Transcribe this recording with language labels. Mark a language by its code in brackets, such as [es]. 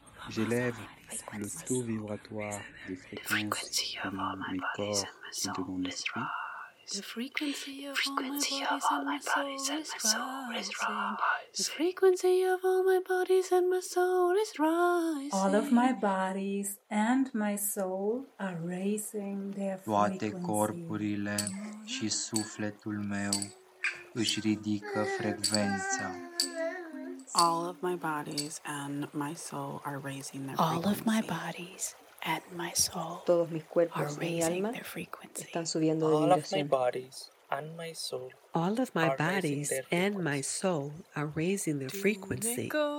[fr] J'élève le taux vibratoire des fréquences de mon corps et de mon esprit. [en] The frequency of all my bodies and my soul is rising. All of my bodies and my soul are raising their frequency. [ro] Toate corpurile și sufletul meu își ridică frecvența. [en] All of my bodies and my soul are raising their frequency. All of my bodies and my soul [es] todos mis cuerpos [en] are raising [es] mi alma [en] their frequency. [es] Están subiendo de [en] vibración. All of my bodies and my soul all of my bodies and my soul are raising their frequency.